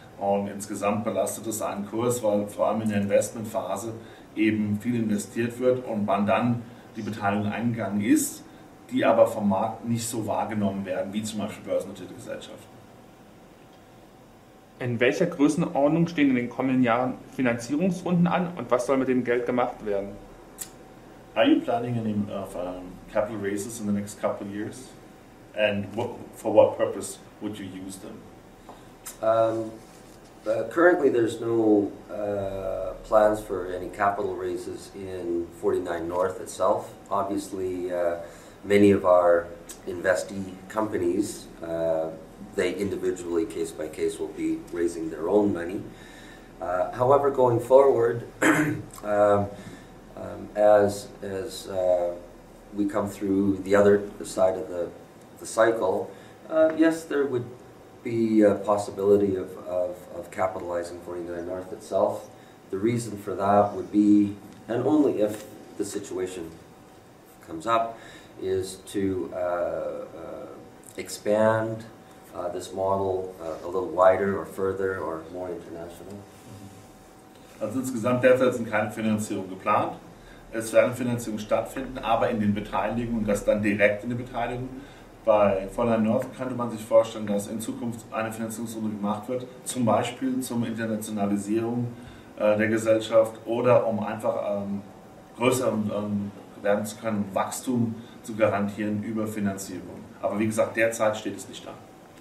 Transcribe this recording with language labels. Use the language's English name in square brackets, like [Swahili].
[German] Und insgesamt belastet es einen Kurs, weil vor allem in der Investmentphase eben viel investiert wird und man dann die Beteiligung eingegangen ist, die aber vom Markt nicht so wahrgenommen werden, wie zum Beispiel börsennotierte Gesellschaften. In welcher Größenordnung stehen in den kommenden Jahren Finanzierungsrunden an und was soll mit dem Geld gemacht werden? [English] Are you planning any capital raises in the next couple of years? And for what purpose would you use them? Currently, there's no plans for any capital raises in 49 North itself. Obviously, many of our investee companies, they individually, case by case, will be raising their own money. However, going forward, we come through the other side of the cycle, yes, there would be a possibility of capitalizing 49 North itself. The reason for that would be, and only if the situation comes up, is to expand this model a little wider or further or more international. [German] Also insgesamt derzeit sind keine Finanzierung geplant. Es werden Finanzierungen stattfinden, aber in den Beteiligungen, das dann direkt in den Beteiligungen. Bei 49 North könnte man sich vorstellen, dass in Zukunft eine Finanzierungsrunde gemacht wird, zum Beispiel zum Internationalisierung der Gesellschaft oder um einfach größer werden zu können, Wachstum zu garantieren über Finanzierung. Aber wie gesagt, derzeit steht es nicht da.